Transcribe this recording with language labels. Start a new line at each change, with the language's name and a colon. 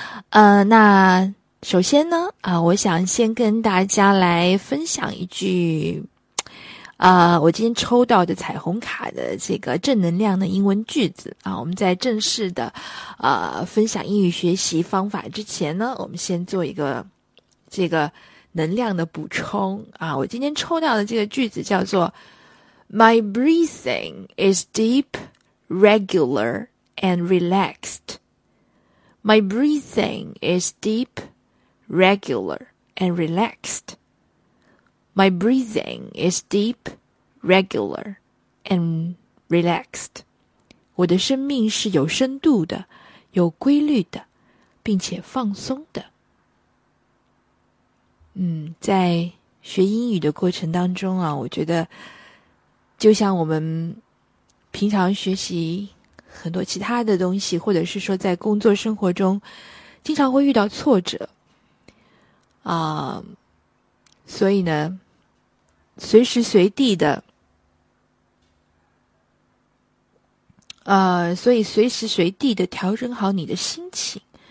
Chinese: 那首先呢，我想先跟大家来分享一句，我今天抽到的彩虹卡的这个正能量的英文句子啊。我们在正式的，分享英语学习方法之前呢，我们先做一个这个能量的补充啊！我今天抽到的这个句子叫做
English: "My breathing is deep, regular, and relaxed." My breathing is deep, regular, and relaxed. My breathing is deep, regular, and relaxed.
Chinese: 我的生命是有深度的，有规律的，并且放松的。在学英语的过程当中啊，我觉得就像我们平常学习很多其他的东西，或者是说在工作生活中经常会遇到挫折啊，所以呢，随时随地的，所以随时随地的调整好你的心情。